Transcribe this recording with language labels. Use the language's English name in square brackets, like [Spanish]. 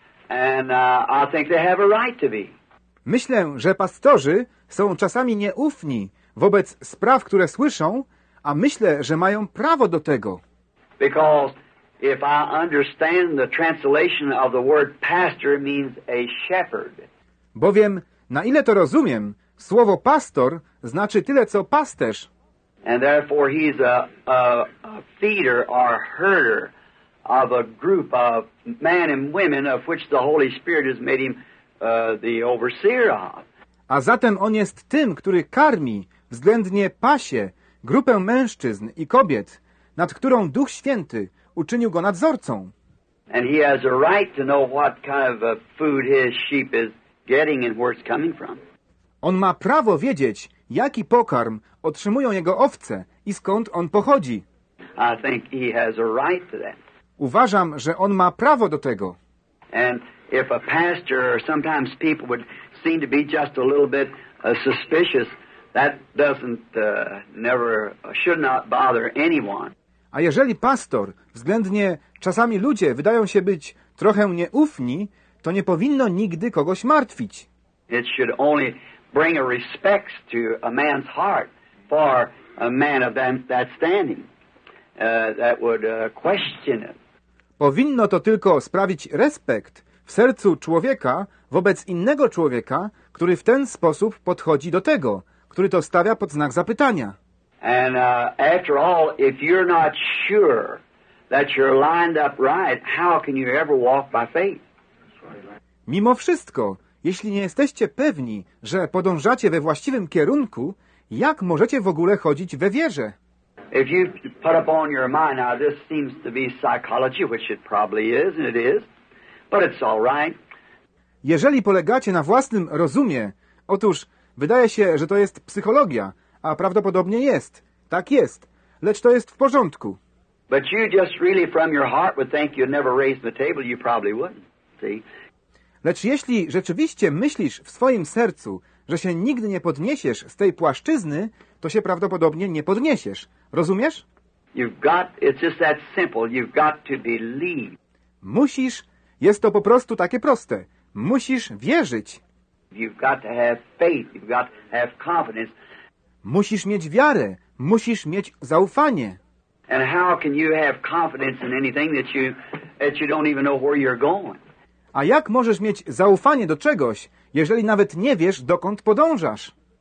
[English] And I think they have a right to be. [Polish] Myślę, że pastorzy są czasami nieufni wobec spraw, które słyszą, a myślę, że mają prawo do tego. [English] Because if I understand the translation of the word pastor means a shepherd. [Polish] Bowiem na ile to rozumiem, słowo pastor znaczy tyle co pasterz. [English] And therefore he's a feeder or herder of a group of men and women of which the Holy Spirit has made him the overseer of. [Polish] A zatem on jest tym, który karmi, względnie pasie, grupę mężczyzn i kobiet, nad którą Duch Święty uczynił go nadzorcą. [English] And he has a right to know what kind of food his sheep is getting and where it's coming from. [Polish] On ma prawo wiedzieć, jaki pokarm otrzymują jego owce i skąd on pochodzi. [English] I think he has a right to that. [Polish] Uważam, że on ma prawo do tego. [English] And if a pastor or sometimes people would seem to be just a little bit suspicious, that doesn't never should not bother anyone. [Polish] A jeżeli pastor, względnie czasami ludzie wydają się być trochę nieufni, to nie powinno nigdy kogoś martwić. [English] It should only bring a respect to a man's heart for a man of that standing. that would question it. [Polish] Powinno to tylko sprawić respekt w sercu człowieka wobec innego człowieka, który w ten sposób podchodzi do tego, który to stawia pod znak zapytania. [English] And after all, if you're not sure that you're lined up right, how can you ever walk by faith? [Polish] Mimo wszystko, jeśli nie jesteście pewni, że podążacie we właściwym kierunku, jak możecie w ogóle chodzić we wierze? [English] If you put up on your mind, now this seems to be psychology, which it probably is, and it is, but it's all right. [Polish] Jeżeli polegacie na własnym rozumie, otóż wydaje się, że to jest psychologia, a prawdopodobnie jest, tak jest, lecz to jest w porządku. [English] But you just really from your heart would think you'd never raise the table, you probably wouldn't, see? [Polish] Lecz jeśli rzeczywiście myślisz w swoim sercu, że się nigdy nie podniesiesz z tej płaszczyzny, to się prawdopodobnie nie podniesiesz. Rozumiesz? [English] It's just that simple. You've got to believe. [Polish] Musisz, jest to po prostu takie proste. Musisz wierzyć. [English] You've got to have faith. You've got to have confidence. [Polish] Musisz mieć wiarę. Musisz mieć zaufanie. [English] And how can you have confidence in anything that you don't even know where you're going? [Polish] A jak możesz mieć zaufanie do czegoś, jeżeli nawet nie wiesz, dokąd podążasz?